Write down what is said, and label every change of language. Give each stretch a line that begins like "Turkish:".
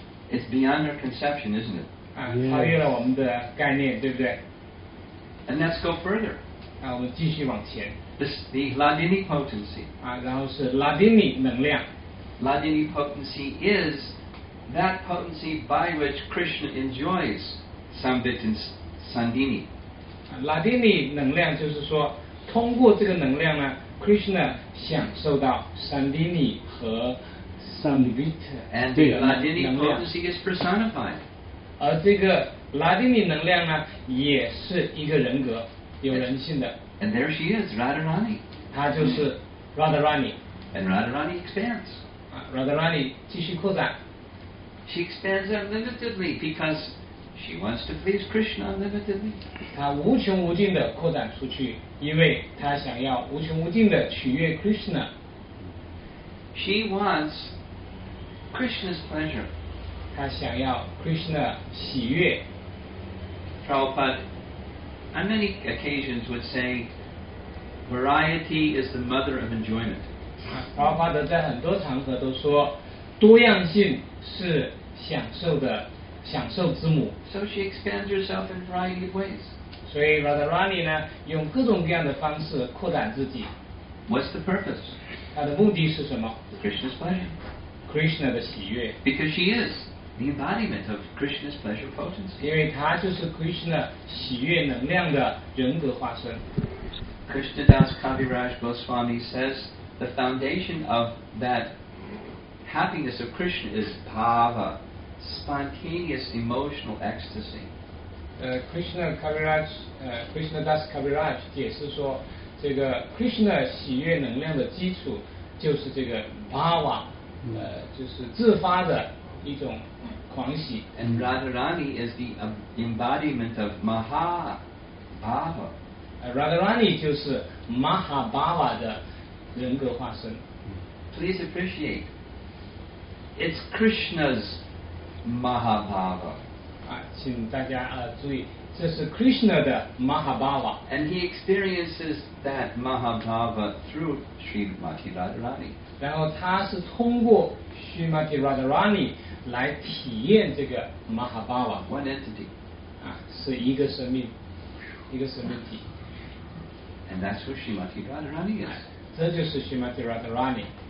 English: It's beyond our conception, isn't it?
Chinese: 超越了我们的概念，对不对？
English: And let's go further.
Chinese: 我们继续往前。
English: The Ladini potency.
Chinese: 然后是Ladini能量。
English: Ladini potency is that potency by which Krishna enjoys Sambit and Sandini.
Chinese: Ladini 能量就是说, 通过这个能量呢, Krishna 享受到 Sandini 和 Sambit.
English: And the Ladini potency is personified.
Chinese: 而这个 Ladini 能量呢, 也是一个人格, 有人性的。
English: And there she is, Radharani.
Chinese: 她就是 Radharani.
English: And Radharani expands.
Chinese: Radharani 继续扩展。
English: She expands unlimitedly because she wants to please Krishna unlimitedly.
Chinese: 她无穷无尽地扩展出去, 因为她想要无穷无尽地取悦 Krishna.
English: She wants Krishna's pleasure.
Chinese: 她想要 Krishna喜悦。
English: Prabhupada on many occasions would say, variety is the mother of enjoyment.
Chinese: Prabhupada 在很多场合都说, 多样性是享受的享受之母。
English: So she expands herself in a variety of ways.
Chinese: 所以 Radharani 呢, 用各种各样的方式扩展自己。
English: What's the purpose?
Chinese: 她的目的是什么?
English: Krishna's pleasure.
Chinese: Krishna的喜悦。
English: Because she is the embodiment of Krishna's pleasure potency.
Chinese: 因为她就是 Krishna喜悦能量的人格化身。
English: Krishna Das Kaviraj Goswami says the foundation of that happiness of Krishna is bhava, spontaneous emotional ecstasy.
Chinese: Krishna Kaviraj, Krishna Das Kaviraj 解释说, 这个 Krishna 喜悦能量的基础就是这个 bhava, 就是自发的一种狂喜。
English: And Radharani is the embodiment of Maha Bhava.
Chinese: Radharani 就是 Maha Bhava 的人格化身。
English: Please appreciate, it's Krishna's Maha Bhava.
Chinese: 请大家注意, 这是 Krishna 的 Maha Bhava.
English: And he experiences that Maha Bhava through Srimati Radharani.
Chinese: 然后他是通过 Srimati Radharani 来体验这个 Maha Bhava.
English: One entity.
Chinese: 是一个生命体。
English: And that's who Srimati Radharani is.
Chinese: 这就是 Srimati Radharani.